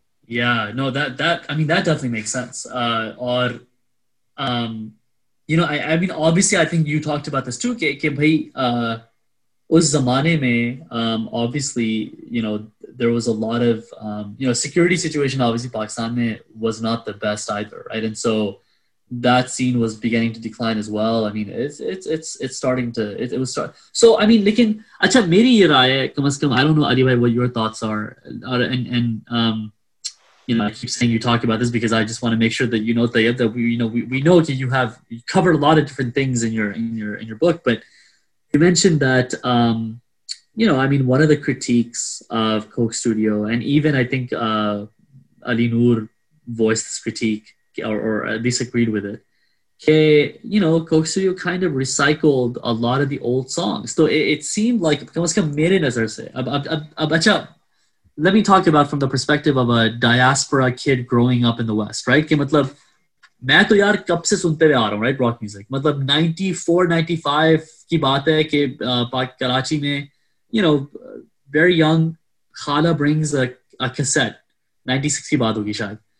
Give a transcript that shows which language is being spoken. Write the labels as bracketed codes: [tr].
[en] yeah no that that I mean that definitely makes sense और you know I mean obviously I think you talked about this too [ur] के भाई उस जमाने में [en] Obviously you know there was a lot of, you know, security situation, obviously Pakistan was not the best either, right? And so that scene was beginning to decline as well. I mean, it's starting to, it was start. So, I mean, [ur] lekin, achha, meri ye raaye, kam az kam, [en] I don't know, Ali bhai, what your thoughts are. And you know, I keep saying you talk about this because I just want to make sure that, you know, that we know that you have covered a lot of different things in your book, but you mentioned that, you know, I mean, one of the critiques of Coke Studio, and even I think Ali Noor voiced this critique, or at least agreed with it, that, you know, Coke Studio kind of recycled a lot of the old songs. So it seemed like, let me talk about from the perspective of a diaspora kid growing up in the West, right? I mean, [ur] मैं तो यार कब से सुनते हुए आ रहा हूँ [en] right rock music [ur] मतलब 94-95 की बात है कि कराची में [en] you know, very young, Khala brings a cassette, [ur] 96 ki baat hogi shayad.